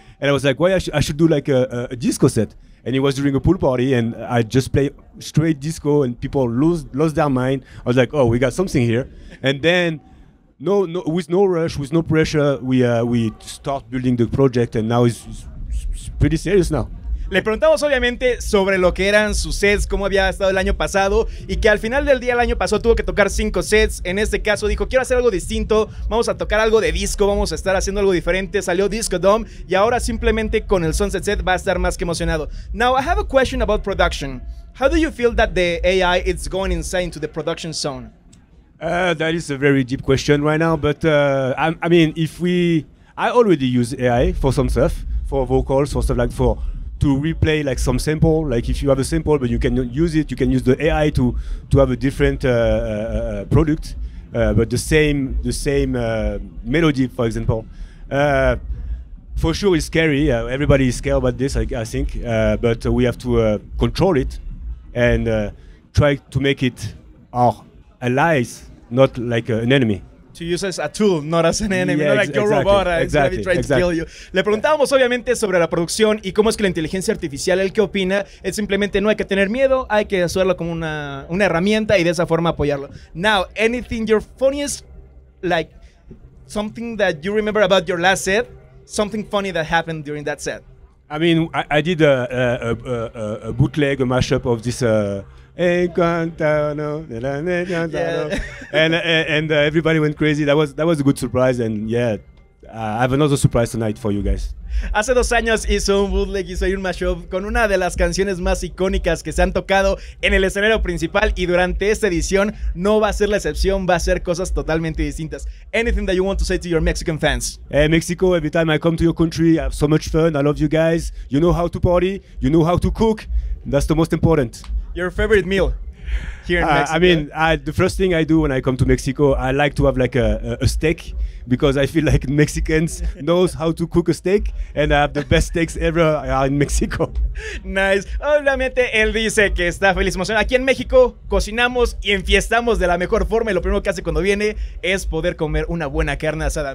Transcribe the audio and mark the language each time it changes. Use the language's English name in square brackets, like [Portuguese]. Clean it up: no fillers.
[English] And I was like, I should do like a disco set. And it was during a pool party, and I just played straight disco, and people lost their mind. I was like, oh, we got something here. And then, no, with no rush, with no pressure, we start building the project, and now it's pretty serious now. [Spanish] Le preguntamos obviamente sobre lo que eran sus sets, cómo había estado el año pasado y que al final del día el año pasado tuvo que tocar 5 sets. En este caso dijo, quiero hacer algo distinto, vamos a tocar algo de disco, vamos a estar haciendo algo diferente. Salió Disco Dome y ahora simplemente con el Sunset Set va a estar más que emocionado. [English] Now I have a question about production. How do you feel that the AI is going inside into the production zone? That is a very deep question right now, but I already use AI for some stuff, for vocals, for stuff like for to replay like some sample, like if you have a sample but you cannot use it, you can use the AI to have a different product, but the same melody, for example. For sure it's scary, everybody is scared about this, I think, but we have to control it and try to make it our allies, not like an enemy. To use as a tool, not as an enemy, yeah, not like your robot exactly, trying exactly. to kill you. [Spanish] Le preguntábamos obviamente sobre la producción y cómo es que la inteligencia artificial, él qué opina, es simplemente no hay que tener miedo, hay que usarlo como una herramienta y de esa forma apoyarlo. [English] Now, anything your funniest, like something that you remember about your last set, something funny that happened during that set. I mean, I did a bootleg, a mashup of this and everybody went crazy. That was a good surprise, and yeah, I have another surprise tonight for you guys. [Spanish] Hace dos años hizo un bootleg, hizo un mashup con una de las canciones más icónicas que se han tocado en el escenario principal, y durante esta edición no va a ser la excepción, va a ser cosas totalmente distintas. [English] Anything that you want to say to your Mexican fans? Hey, Mexico, every time I come to your country, I have so much fun. I love you guys. You know how to party, you know how to cook. That's the most important. Your favorite meal here in Mexico? I mean, the first thing I do when I come to Mexico, I like to have like a steak, because I feel like Mexicans knows how to cook a steak, and I have the best steaks ever in Mexico. [Spanish] Nice. Obviamente, él dice que está feliz, emocionado. Aquí en México, cocinamos y enfiestamos de la mejor forma, y lo primero que hace cuando viene es poder comer una buena carne asada.